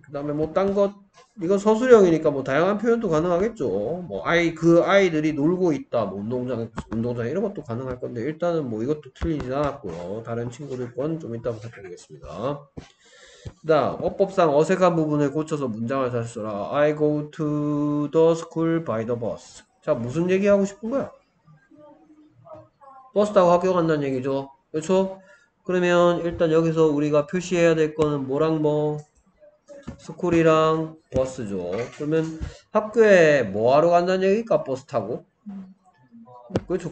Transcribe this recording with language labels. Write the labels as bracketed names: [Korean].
[Korean] 그다음에 뭐딴것 이건 서술형이니까 뭐 다양한 표현도 가능하겠죠. 뭐 아이 그 아이들이 놀고 있다. 뭐 운동장 이런 것도 가능할 건데 일단은 뭐 이것도 틀리지 않았고요. 다른 친구들 건좀 이따 부탁드리겠습니다. 자, 어법상 어색한 부분을 고쳐서 문장을 다시 써라. [English] I go to the school by the bus. [Korean] 자, 무슨 얘기하고 싶은 거야? 버스 타고 학교 간다는 얘기죠. 그렇죠? 그러면 일단 여기서 우리가 표시해야 될 거는 뭐랑 뭐? 스쿨이랑 버스죠. 그러면 학교에 뭐 하러 간다는 얘기일까? 버스 타고? 그렇죠.